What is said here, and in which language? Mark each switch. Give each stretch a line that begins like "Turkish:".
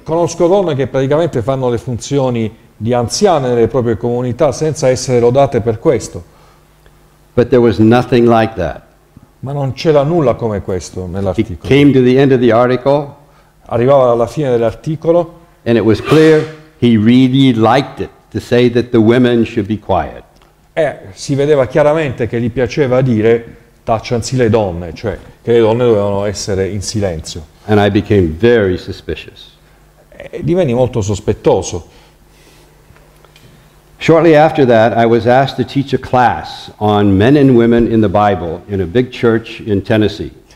Italian: Conosco donne che praticamente fanno le funzioni di anziane nelle proprie comunità senza essere lodate per questo.
English: But there was nothing like that.
Italian: Ma non c'era nulla come questo nell'articolo.
English: It came to the end of the article.
Italian: Arrivava alla fine dell'articolo.
English: And it was clear he really liked it to say that the women should be quiet.
Italian: Si vedeva chiaramente che gli piaceva dire tacciansi le donne, cioè che le donne dovevano essere in silenzio.
English: And I became very suspicious.
Italian: E divenni molto sospettoso.
English: Shortly after that, I was asked to teach a class on men and women in the Bible in a big church in Tennessee.